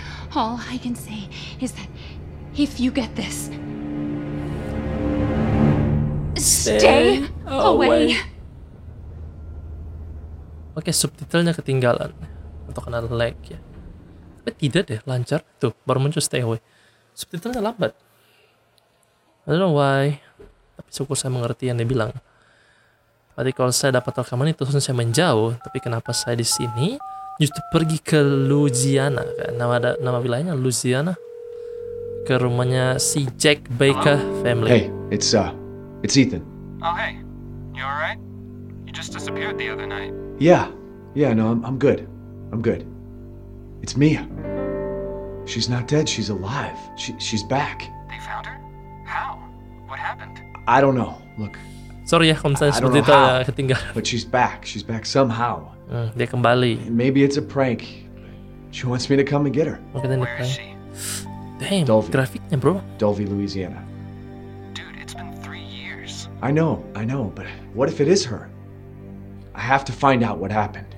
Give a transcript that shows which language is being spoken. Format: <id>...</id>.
<en>All I can say is that if you get this, stay away.</en> <id>Okay, subtitlenya ketinggalan atau kena lag ya. Tapi tidak deh, lancar. Tuh, baru muncul stay away. Subtitlenya lambat.</id> <en>I don't know why.</en> <id>Tapi syukur saya mengerti yang dia bilang. Berarti kalau saya dapat rekaman itu, terus saya menjauh. Tapi kenapa saya di sini? Justru pergi ke Louisiana, kan? nama wilayahnya Louisiana, ke rumahnya si Jack Baker.</id> <en>Hello? Family. Hey, it's Ethan. Oh hey, you all right? You just disappeared the other night. Yeah, no, I'm good. It's Mia. She's not dead. She's alive. She's back. They found her? How? What happened? I don't know. Look.</en> <id>Sorry ya, kalau misalnya seperti itu ketinggalan.</id> <en>But she's back. She's back somehow.</en> <id>Dia kembali.</id> <en>Maybe it's a prank. She wants me to come and get her. Okay, then where is she?</en> <id>Damn, Dolby. Grafiknya bro.</id> <en>Dolby, Louisiana. Dude, it's been 3 years. I know, but what if it is her? I have to find out what happened.</en>